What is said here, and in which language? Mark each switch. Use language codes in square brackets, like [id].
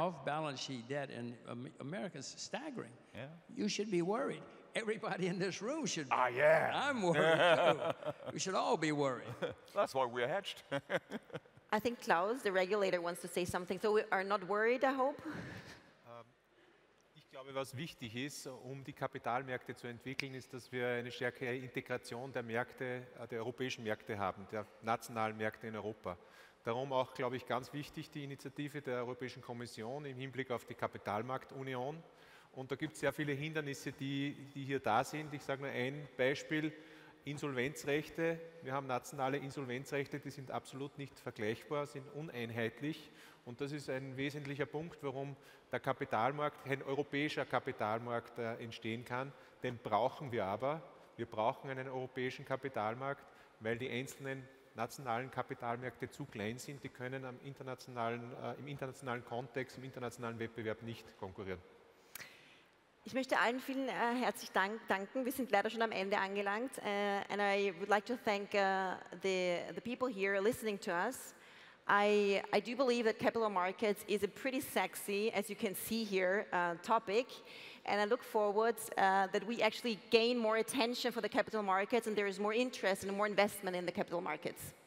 [en] Off-balance sheet debt in America is staggering. Yeah, you should be worried. Everybody in this room should be. Ah, yeah. I'm worried, too. We should all be worried. That's why we're hedged. I think Klaus, the regulator, wants to say something. So we are not worried, I hope. [de] Ich glaube, was wichtig ist, um die Kapitalmärkte zu entwickeln, ist, dass wir eine stärkere Integration der Märkte, der europäischen Märkte haben, der nationalen Märkte in Europa. Darum auch, glaube ich, ganz wichtig die Initiative der Europäischen Kommission im Hinblick auf die Kapitalmarktunion. Und da gibt es sehr viele Hindernisse, die hier da sind. Ich sage nur ein Beispiel, Insolvenzrechte. Wir haben nationale Insolvenzrechte, die sind absolut nicht vergleichbar, sind uneinheitlich. Und das ist ein wesentlicher Punkt, warum der Kapitalmarkt, ein europäischer Kapitalmarkt entstehen kann. Den brauchen wir aber. Wir brauchen einen europäischen Kapitalmarkt, weil die einzelnen nationalen Kapitalmärkte zu klein sind. Die können am internationalen, im internationalen Kontext, im internationalen Wettbewerb nicht konkurrieren. Ich möchte allen vielen herzlich danken. Wir sind leider schon am Ende angelangt. [en] And I would like to thank the people here listening to us. I do believe that capital markets is a pretty sexy, as you can see here, topic. And I look forward that we actually gain more attention for the capital markets and there is more interest and more investment in the capital markets.